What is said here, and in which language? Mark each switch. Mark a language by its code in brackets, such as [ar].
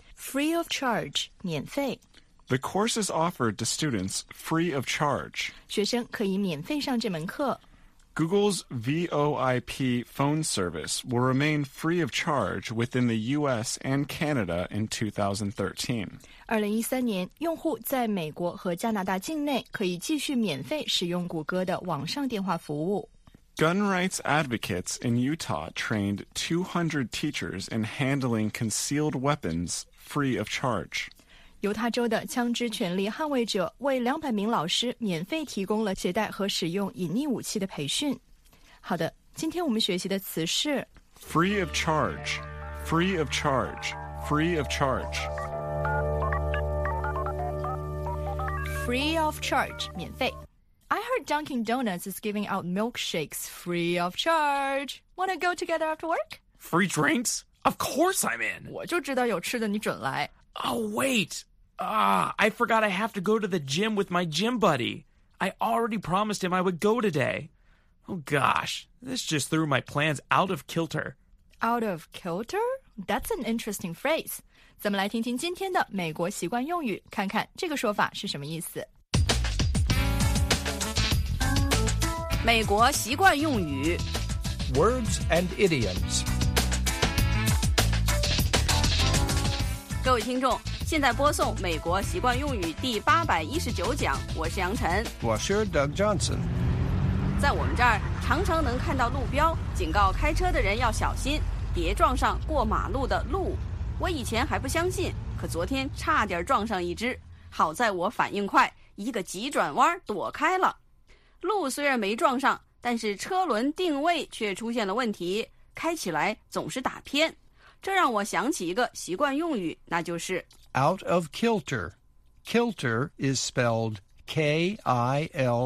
[en] Free of charge, [zh] 免费. [en] The course is offered to students free of charge. [zh] 学生可以免费上这门课. [en] Google's VoIP phone service will remain free of charge within the U.S. and Canada in 2013. [zh] 2013年，用户在美国和加拿大境内可以继续免费使用谷歌的网上电话服务。 [en] Gun rights advocates in Utah trained 200 teachers in handling concealed weapons free of charge. [zh] 犹他州的枪支权利捍卫者为200名老师免费提供了携带和使用隐匿武器的培训。好的，今天我们学习的词是 [en] free of charge, free of charge, free of charge. Free of charge, [zh] 免费。 [en] I heard Dunkin' Donuts is giving out milkshakes free of charge. Wanna go together after work? Free drinks? Of course I'm in. [zh] 我就知道有吃的你准来。 [en] Oh, wait. I forgot I have to go to the gym with my gym buddy. I already promised him I would go today. Oh, gosh. This just threw my plans out of kilter. Out of kilter? That's an interesting phrase. [zh] 咱们来听听今天的美国习惯用语，看看这个说法是什么意思。美国习惯用语 [en] Words and idioms. [zh] 各位听众，现在播送美国习惯用语第819讲，我是杨晨，我是 Doug Johnson。在我们这儿常常能看到路标警告开车的人要小心，别撞上过马路的鹿。我以前还不相信，可昨天差点撞上一只，好在我反应快，一个急转弯躲开了。路虽然没撞上，但是车轮定位却出现了问题，开起来总是打偏。这让我想起一个习惯用语，那就是 [en] out of kilter. Kilter is spelled K-I-L-T-E-R.